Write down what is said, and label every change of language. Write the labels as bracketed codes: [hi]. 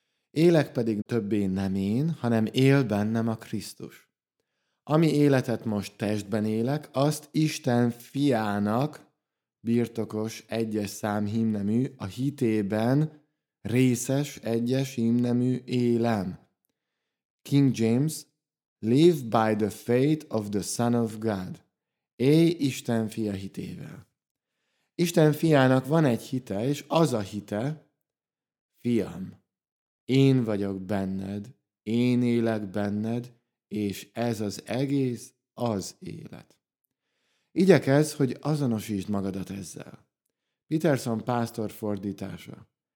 [hu] Élek pedig többé nem én, hanem él bennem a Krisztus. Ami életet most testben élek, azt Isten fiának, birtokos egyes szám hímnemű, a hitében részes egyes hímnemű élem. [en] King James, live by the faith of the Son of God. [hu] Élj Isten fia hitével. Isten fiának van egy hite, és az a hite, fiam, én vagyok benned, én élek benned, és ez az egész az élet. Igyekezz, hogy azonosítsd magadat ezzel. Peterson pásztor fordítása.